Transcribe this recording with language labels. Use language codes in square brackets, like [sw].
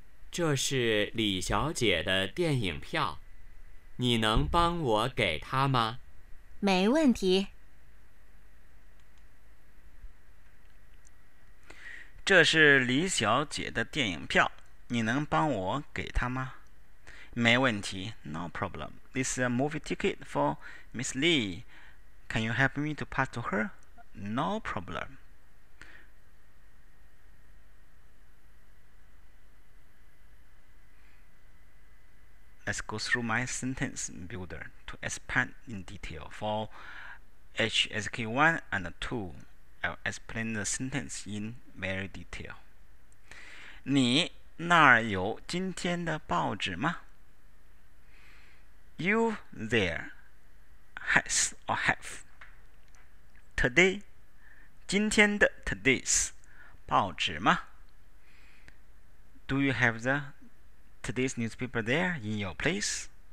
[zh] 这是李小姐的电影票，你能帮我给她吗？没问题。这是李小姐的电影票，你能帮我给她吗？没问题 ， [en] no problem. This is a movie ticket for Miss Lee. Can you help me to pass to her? No problem. Let's go through my sentence builder to expand in detail for HSK 1 and 2. I'll explain the sentence in very detail. [zh] 你那儿有今天的报纸吗? [en] You there has or have today, [zh] 今天的 [en] today's [zh] 报纸吗? [en] Do you have the today's newspaper there in your place?